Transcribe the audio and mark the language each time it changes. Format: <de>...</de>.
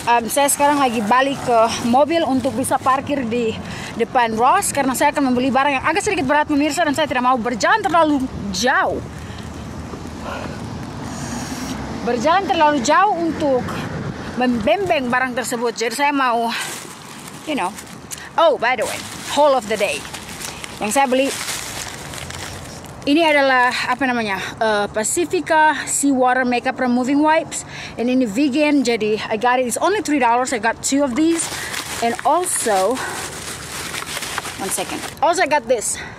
<id>Saya sekarang lagi balik ke mobil untuk bisa parkir di depan Ross karena saya akan membeli barang yang agak sedikit berat, pemirsa, dan saya tidak mau berjalan terlalu jauh. Berjalan terlalu jauh untuk membembeng barang tersebut. Jadi saya mau,</id> <en>you know. Oh, by the way, haul of the day.</en> <id>Yang saya beli ini adalah apa namanya?</id> <en>Pacifica Sea Water Makeup Removing Wipes. And</en> <id>ini vegan, jadi</id> <en>I got it. It's only $3. I got 2 of these. And also, one second. Also I got this.</en>